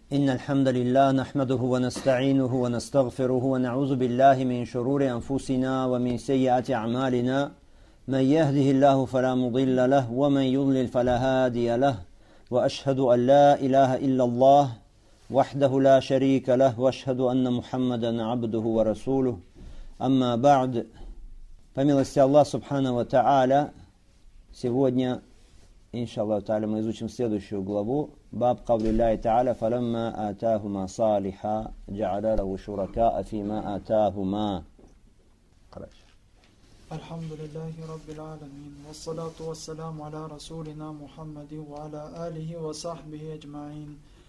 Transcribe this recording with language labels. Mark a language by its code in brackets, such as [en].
[ar] إن الحمد لله نحمده ونستعينه ونستغفره ونعوذ بالله من شرور أنفسنا ومن سيئات أعمالنا، من يهده الله فلا مضل له ومن يضلل فلا هادي له، وأشهد أن لا إله إلا الله وحده لا شريك له، وأشهد أن محمدا عبده ورسوله. أما بعد، [ru] فمилости الله سبحانه وتعالى сегодня иншаллах таала мы изучим следующую главу. [ar] باب قول الله تعالى فلما آتاهما صالحا جعل له شركاء فيما آتاهما. الحمد لله رب العالمين والصلاة والسلام على رسولنا محمد وعلى آله وصحبه أجمعين.